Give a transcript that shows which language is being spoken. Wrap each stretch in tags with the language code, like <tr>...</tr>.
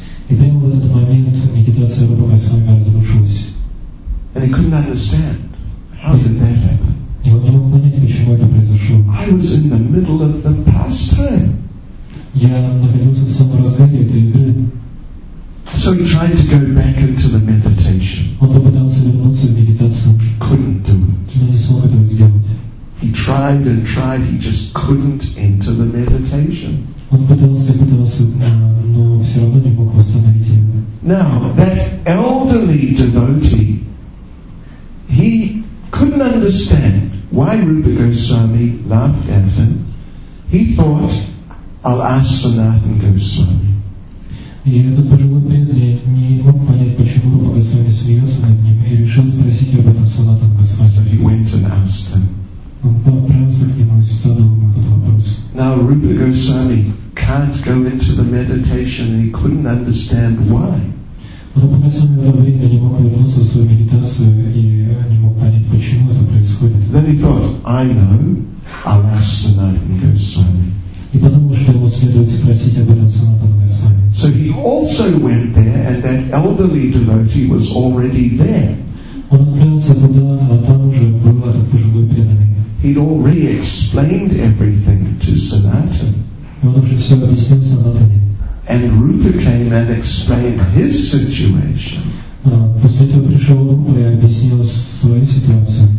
<ru>И прямо в этот момент медитация Рупа Госвами разрушилась.</ru> <en>And he couldn't understand. How did that happen?</en> <ru>И он не мог понять, почему это произошло.</ru> <en>I was in the middle of the pastime.</en> <ru>Я находился в самом разгаре этой игры.</ru> <en>So he tried to go back into the meditation.</en> <ru>Он попытался вернуться в медитацию.</ru> <en>Couldn't do it.</en> <ru>Но не смог этого сделать.</ru> <en>He tried and tried, he just couldn't enter the meditation.</en> <ru>Он пытался, но все равно не мог восстановить его.</ru> <en>Now, that elderly devotee, he couldn't understand why Rupa Goswami laughed at him. He thought, I'll ask Sanatan Goswami.</en> <ru>И этот пожилой преданный не мог понять, почему Рупа Госвами смеется над ним, и решил спросить об этом Санатан Госвами.</ru> <en>So he went and asked him.</en> <ru>Он подобрался к нему и задал ему этот вопрос.</ru> <en>Now Rupa Goswami can't go into the meditation and he couldn't understand why.</en> <ru>Рупа Госвами в это время не мог вернуться в свою медитацию и не мог понять, почему это происходит.</ru> <en>Then he thought, I know, I'll ask Sanatan Goswami.</en> <ru>И подумал, что ему следует спросить об этом Санатан Госвами.</ru> <en>So he also went there, and that elderly devotee was already there.</en> <ru>Он отправился туда, а там уже был этот пожилой преданный.</ru> <en>He'd already explained everything to Sanatan.</en> <ru>Он уже все объяснил Санатане.</ru> <en>And Rupa came and explained his situation.</en> <ru>После этого пришел Рупа и объяснил свою ситуацию.</ru>